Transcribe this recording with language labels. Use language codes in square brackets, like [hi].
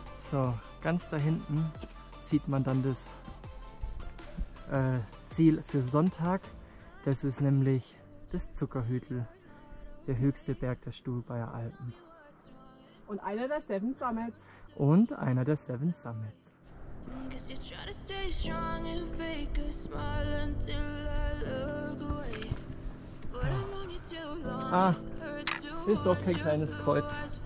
[de] So, ganz da hinten sieht man dann das Ziel für Sonntag. Das ist nämlich das Zuckerhütl, der höchste Berg der Stubaier Alpen. Und einer der Seven Summits. Und einer der Seven Summits. [en] 'Cause you're trying to stay strong and fake a smile until I look away. But I've known you too long. [de] Ah, ist doch kein kleines Kreuz.